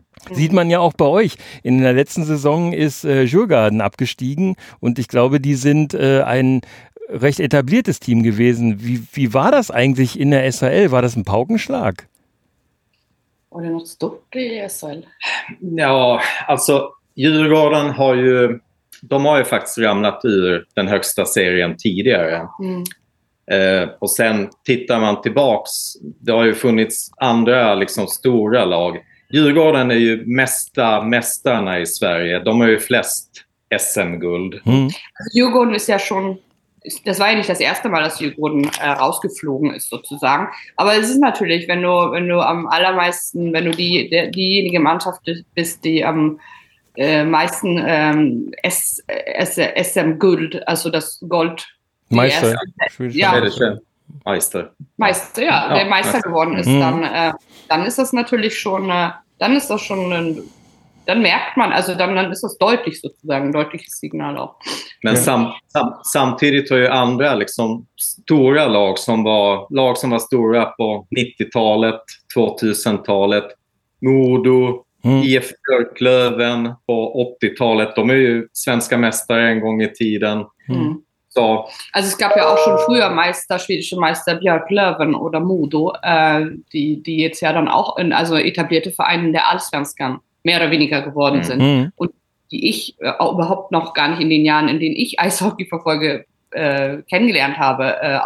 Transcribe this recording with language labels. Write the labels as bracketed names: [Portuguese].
[German] Sieht man ja auch bei euch. In der letzten Saison ist Djurgården abgestiegen und ich glaube, die sind ein recht etabliertes Team gewesen. Wie war das eigentlich in der SHL? War das ein Paukenschlag? Oder noch zu dunkel in der SHL? [Swedish] Ja, also Djurgården har ju... De har ju faktiskt ramlat ur den högsta serien tidigare. Och sen tittar man tillbaks. Det har ju funnits andra liksom stora lag. Djurgården är ju mästarna i Sverige. De har ju flest SM-guld. Djurgården är ju schon... [German] Das war ja nicht das erste Mal, dass Djurgården rausgeflogen ist, sozusagen. Aber es ist natürlich, wenn du am allermeisten, wenn du diejenige Mannschaft bist, die am meisten SM-Gold, also das Gold. Meister. Ja. Meister geworden ist, dann ist das natürlich schon, dann merkt man, also dann ist das deutlich sozusagen, ein deutliches Signal auch. [Swedish] Men samtidigt har ju andra liksom stora lag som var stora på 90-talet, 2000-talet, Modo, IF Björklöven på 80-talet, de är ju svenska mästare en gång i tiden. Så. [German] Also es gab ja auch schon früher Meister, schwedische Meister Björklöven oder Modo, die jetzt ja dann auch in, also etablierte Vereine der Allsvenskan mehr oder weniger geworden sind. Und die ich auch überhaupt noch gar nicht in den Jahren, in denen ich Eishockey verfolge, kennengelernt habe.